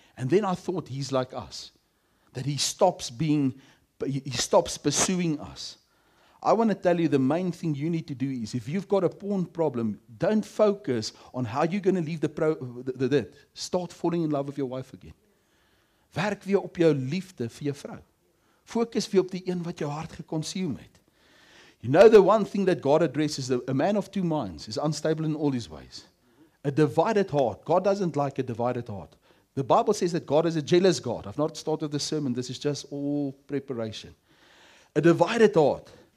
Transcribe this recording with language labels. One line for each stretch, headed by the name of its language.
English: And then I thought He's like us. That He stops pursuing us. I want to tell you the main thing you need to do is if you've got a porn problem, don't focus on how you're going to leave the dead. Start falling in love with your wife again.
Afrikaans: Werk weer op jou liefde vir jou vrou. Focus weer op die een wat jou hart geconsume het.
English: You know the one thing that God addresses, a man of two minds is unstable in all his ways. A divided heart. God doesn't like a divided heart. The Bible says that God is a jealous God. I've not started the sermon. This is just all preparation. A divided heart.